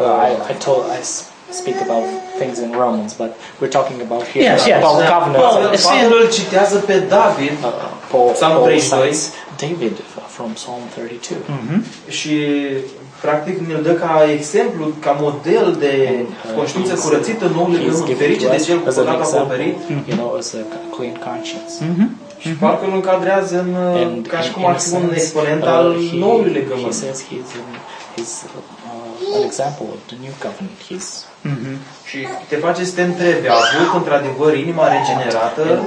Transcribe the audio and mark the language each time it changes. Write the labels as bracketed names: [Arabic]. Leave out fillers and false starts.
[English] I speak about things in Romans, but we're talking about here about covenants. [Romanian] Paul citează pe David, Psalm 32. [English] David from Psalm 32. [Romanian] Și practic ne-l dă ca exemplu, ca model de conștiință curățită, nou legământ, ferice de cel cu păcat acoperit. [English] You know, as a clean conscience. [Romanian] Și parcă nu încadrează în, ca și cum ar fi un exponent al noului legământ. [English] He says he's an example of the new covenant. He's [Romanian] Și te face să te întrebi, a avut într-adevăr inima regenerată?